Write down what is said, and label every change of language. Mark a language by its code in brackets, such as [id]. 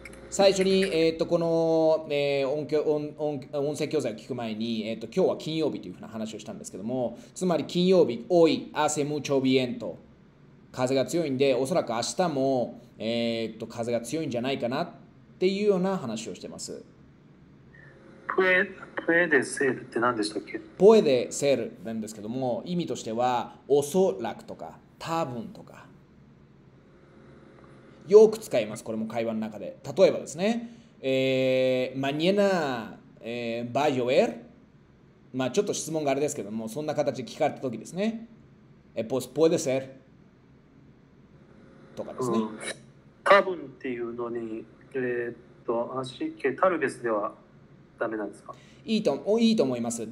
[ja] 最初に、この、音声教材を聞く前に、今日は金曜日というふうな話をしたんですけども、つまり金曜日、おい、汗むちょびえんと、風が強いんで、おそらく明日も、風が強いんじゃないかなっていうような話をしてます。プエデセールって何でしたっけ？ポエデセルなんですけども、意味としては、おそらくとか、多分とか。よく使います、これも会話の中で。例えばですね、 [es] mañana, va a llover? [ja] まあ、ちょっと質問があれですけども、そんな形で聞かれたときですね。 [es] pues puede ser [ja] とかですね。カブンっていうのに、アシケ、タルベスではダメなんですか？いいと思います。